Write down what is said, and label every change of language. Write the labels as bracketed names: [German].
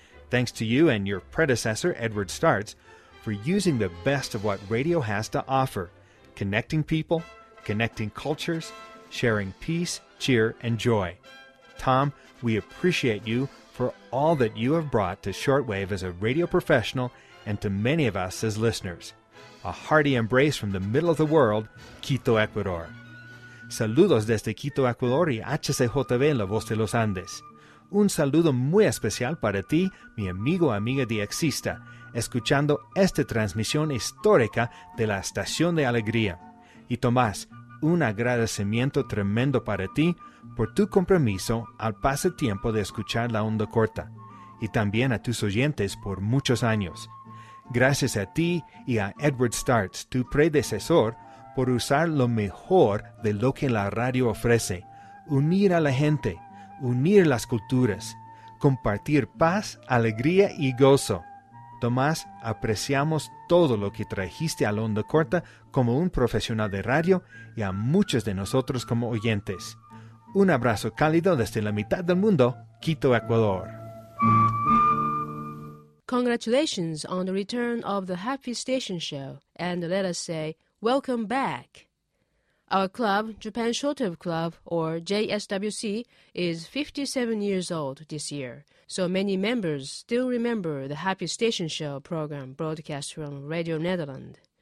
[English] Thanks to you and your predecessor, Edward Starts, for using the best of what radio has to offer, connecting people, connecting cultures, sharing peace, cheer, and joy. Tom, we appreciate you for all that you have brought to shortwave as a radio professional and to many of us as listeners. A hearty embrace from the middle of the world, Quito, Ecuador. [Spanish] Saludos desde Quito, Ecuador y HCJB en la voz de los Andes. Un saludo muy especial para ti, mi amigo, amiga DXista, escuchando esta transmisión histórica de la Estación de Alegría. Y Tomás, un agradecimiento tremendo para ti por tu compromiso al pase tiempo de escuchar la onda corta, y también a tus oyentes por muchos años. Gracias a ti y a Edward Starts, tu predecesor, por usar lo mejor de lo que la radio ofrece, unir a la gente, unir las culturas, compartir paz, alegría y gozo. Tomás, apreciamos todo lo que trajiste a la onda corta como un profesional de radio y a muchos de nosotros como oyentes. Un abrazo cálido desde la mitad del mundo, Quito, Ecuador. [English] Congratulations on the return of the Happy Station Show, and let us say, welcome back. Our club, Japan Shortwave Club, or JSWC, is 57 years old this year, so many members still remember the Happy Station Show program broadcast from Radio Nederland.